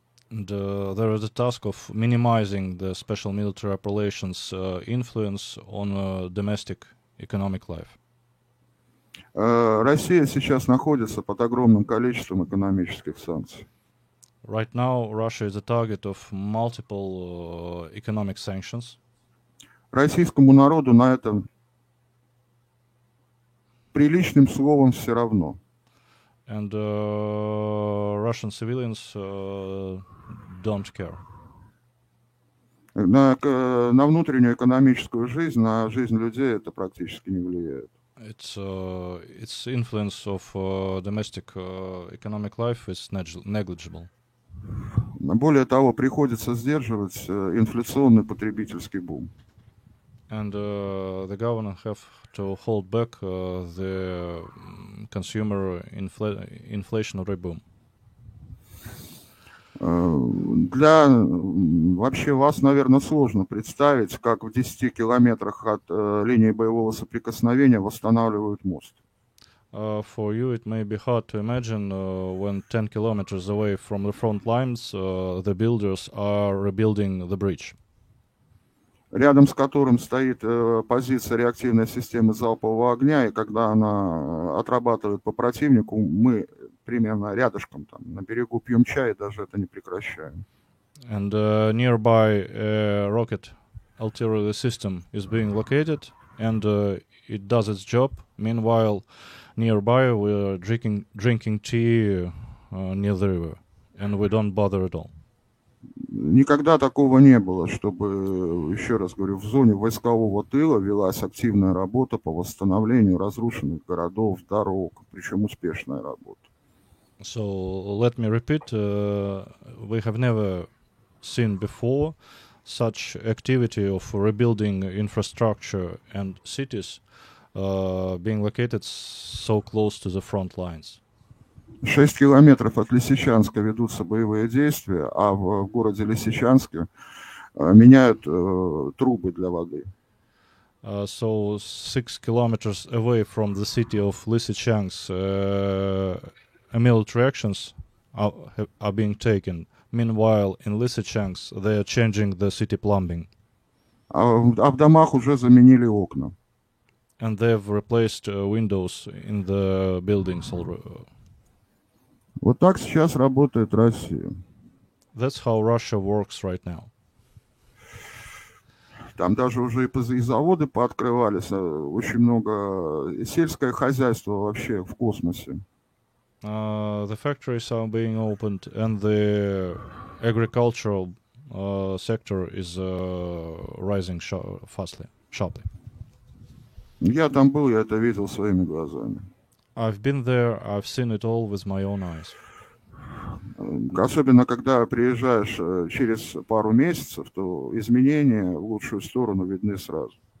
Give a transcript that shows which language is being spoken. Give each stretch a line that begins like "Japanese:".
English: And, there is a task of minimizing the special military operations influence on domestic economic life.
Russian: Россия сейчас находится под огромным количеством экономических санкций.
English: Right now Russia is a target of multiple economic sanctions.
Russian: Российскому народу на этом приличным словом все равно.
English: And Russian civilians don't care.
Russian: На внутреннюю экономическую жизнь, на жизнь людей это практически не влияет.
English: Its influence of domestic economic life is negligible.
Russian: Более того, приходится сдерживать инфляционный потребительский бум.
English: And the government have to hold back the consumer inflationary boom.
Russian: Для вообще вас, наверное, сложно представить, как в 10 километрах от линии боевого соприкосновения восстанавливают мост.
English: For you it may be hard to imagine when 10 kilometers away from the front lines the builders are rebuilding the bridge.
Russian: Рядом с которым стоит позиция реактивной системы залпового огня, и когда она отрабатывает по противнику, мы примерно рядышком там на берегу пьем чай и даже это не прекращаем.
English: And nearby a rocket artillery system is being located and it does its job. Meanwhile, nearby we are drinking tea near the river and we don't bother at all.
Russian: Никогда такого не было, чтобы, еще раз говорю, в зоне войскового тыла велась активная работа по восстановлению разрушенных городов, дорог, причем успешная работа.
English: So, let me repeat, we have never seen before such activity of rebuilding infrastructure and cities being located so close to the front lines.
Russian: 6 километров от Лисичанска ведутся боевые действия, а в городе Лисичанске меняют трубы для воды.
English: So 6 kilometers away from the city of Lysychansk, military actions are being taken. Meanwhile, in Lysychansk, they are changing the city plumbing.
Russian: А в домах уже заменили окна.
English: And they've replaced windows in the buildings already.
Russian: Вот так сейчас работает Россия.
English: That's how Russia works right now.
Russian: Там даже уже и заводы пооткрывались, очень много, и сельское хозяйство вообще в космосе.
English: The factories are being opened and the agricultural sector is rising sharply.
Russian: Я там был, я это видел своими глазами.
English: I've been there, I've seen it all with my own eyes.
Russian: Особенно когда приезжаешь через пару месяцев, то изменения в лучшую сторону видны сразу.